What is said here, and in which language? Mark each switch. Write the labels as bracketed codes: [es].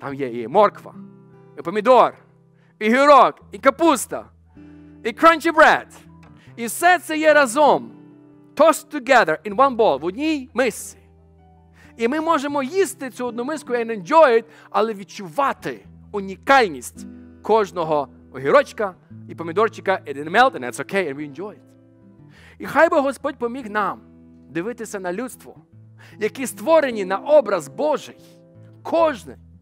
[uk] Там є і морква, і помідор, і гірок, і капуста, і [en] crunchy bread. [uk] І все це є разом. [en] Tossed together in one bowl, [uk] в одній мисці. І ми можемо їсти цю одну миску [en] and enjoy it, [uk] але відчувати унікальність кожного огірочка і помідорчика, [en] it didn't melt, and that's okay, and we enjoy it. [uk] І хай би Господь поміг нам дивитися на людство, які створені на образ Божий. Кожне.